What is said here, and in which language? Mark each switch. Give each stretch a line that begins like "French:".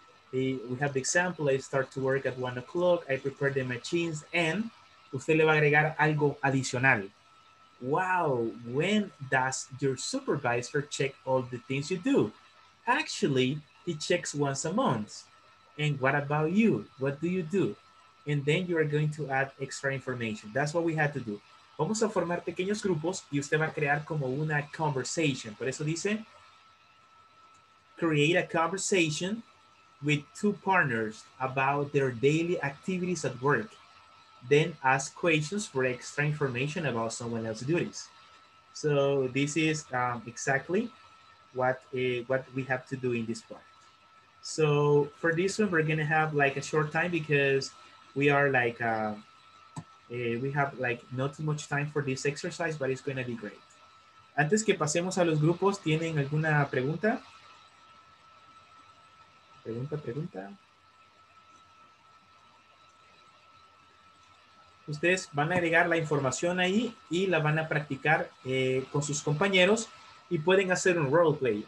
English: We have the example, I start to work at 1 o'clock, I prepare the machines, and
Spanish: usted le va a agregar algo adicional.
English: Wow, when does your supervisor check all the things you do? Actually, he checks once a month. And what about you? What do you do? And then you are going to add extra information. That's what we had to do.
Spanish: Vamos a formar pequeños grupos y usted va a crear como una conversation. Por eso dice,
English: create a conversation with 2 partners about their daily activities at work. Then ask questions for extra information about someone else's duties. So this is exactly what we have to do in this part. So for this one, we're gonna have like a short time because we are like, we have like not too much time for this exercise, but it's gonna be great.
Spanish: Antes que pasemos a los grupos, ¿tienen alguna pregunta? Pregunta. Ustedes van a agregar la información ahí y la van a practicar con sus compañeros y pueden hacer un role play.